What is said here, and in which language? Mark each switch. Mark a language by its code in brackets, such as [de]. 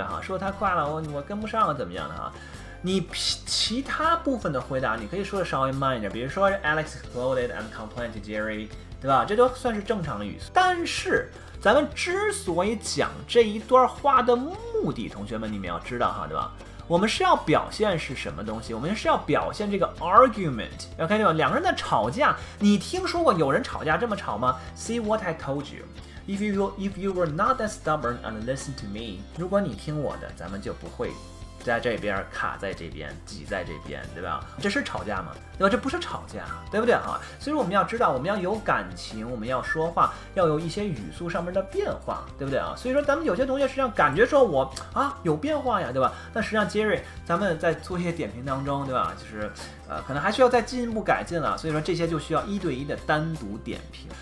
[zh] 哈，说的太快了，我跟不上了，怎么样的哈？你其他部分的回答你可以说的稍微慢一点，比如说 [en] Alex exploded and complained to Jerry， [zh] 对吧？这都算是正常的语速。但是咱们之所以讲这一段话的目的，同学们你们要知道哈，对吧？我们是要表现是什么东西，我们是要表现这个 argument， OK， 对吧？两个人的吵架，你听说过有人吵架这么吵吗？ [en] See what I told you if you were not that stubborn and listen to me， [zh] 如果你听我的，咱们就不会在这边卡在这边挤在这边，对吧？这是吵架吗？对吧？这不是吵架，对不对哈？所以我们要知道，我们要有感情，我们要说话要有一些语速上面的变化，对不对啊？所以说咱们有些同学实际上感觉说我啊有变化呀，对吧？但实际上杰瑞咱们在作业点评当中，对吧，就是可能还需要再进一步改进了，所以说这些就需要一对一的单独点评。